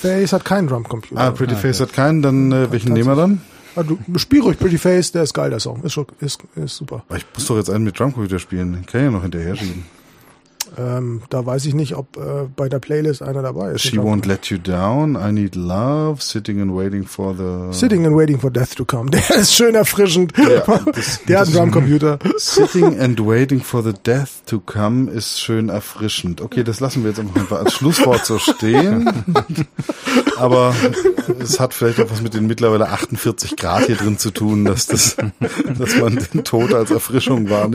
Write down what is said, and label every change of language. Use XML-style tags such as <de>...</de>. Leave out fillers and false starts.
<de>Pretty Face hat keinen Drumcomputer. Pretty Face hat keinen, dann welchen nehmen wir dann? Du spiel ruhig Pretty Face, der ist geil, der Song. Ist super. Aber ich muss doch jetzt einen mit Drumcomputer spielen, den kann ich ja noch hinterher schieben. Da weiß ich nicht, ob bei der Playlist einer dabei ist.</de> <en>She won't let you down. I need love. Sitting and waiting for death to come.</en> <de>Der ist schön erfrischend. Der hat einen Drumcomputer.</de> <en>Sitting and waiting for the death to come</en> <de>ist schön erfrischend. Okay, das lassen wir jetzt einfach als Schlusswort so stehen. Aber es hat vielleicht auch was mit den mittlerweile 48 Grad hier drin zu tun, dass man den Tod als Erfrischung wahrnimmt.</de>